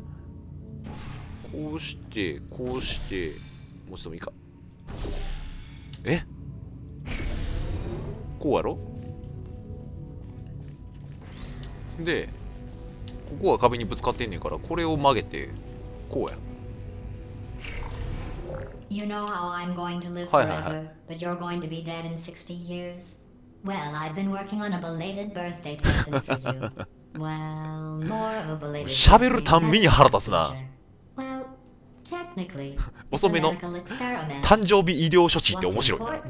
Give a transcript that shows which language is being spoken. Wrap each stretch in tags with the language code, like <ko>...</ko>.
<ja>こうして、こうして、もう一度もいいか。え？こうやろ？で、ここは壁にぶつかってんねんから、これを曲げて、こうや。</ja> <en>You know how I'm going to live forever, but you're going to be dead in 60 years? Well, I've been working on a belated birthday present for you. Well, more of a belated birthday present for you. Well, technically,</en> <ja>遅めの誕生日医療処置って面白いな。</ja>